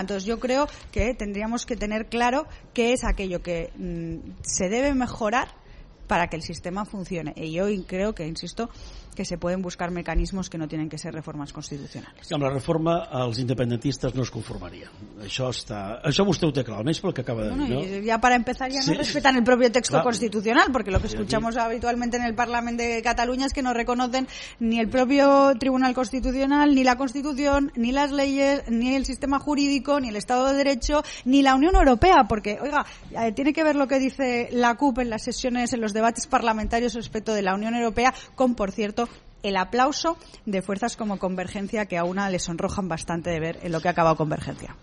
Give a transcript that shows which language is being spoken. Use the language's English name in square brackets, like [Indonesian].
[Spanish] Entonces yo creo que tendríamos que tener claro qué es aquello que se debe mejorar para que el sistema funcione. Y yo creo que, insisto, que se pueden buscar mecanismos que no tienen que ser reformas constitucionales. [Catalan] Sí, amb la reforma els independentistes no es conformarien. Això vostè ho té clar, almenys pel que acaba de dir, no? Ja per [Spanish] empezar, ja sí. No respetan el propio texto constitucional, porque lo que escuchamos habitualmente en el Parlament de Cataluña es que no reconocen ni el propio Tribunal Constitucional, ni la Constitución, ni las leyes, ni el sistema jurídico, ni el Estado de Derecho, ni la Unión Europea, porque, oiga, tiene que ver lo que dice la CUP en las sesiones, en los debates parlamentarios respecto de la Unión Europea, con, por cierto, el aplauso de fuerzas como Convergencia, que a una le sonrojan bastante de ver en lo que ha acabado Convergencia.